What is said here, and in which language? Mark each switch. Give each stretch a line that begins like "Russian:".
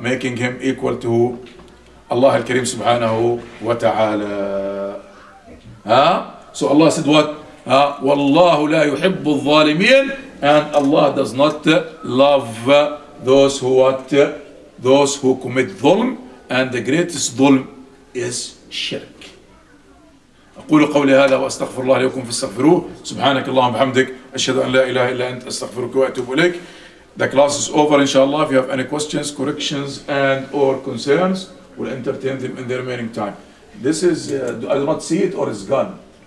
English: Making him equal to who? Allah al-Kareem subhanahu wa ta'ala. So Allah said what?
Arabic: Wallahu la yuhibbu al-zalimeen,
English: and Allah does not love those who what? Those who commit dhulm, and the greatest dhulm is shirk.
Arabic: قولوا قولي هذا وأستغفر الله لكم فاستغفروه سبحانك اللهم وبحمدك أشهد أن لا إله إلا أنت أستغفرك وأتوب إليك.
English: The class is over inshallah. If you have any questions, corrections and or concerns, we'll entertain them in the remaining time. This is I do not see it or it's gone.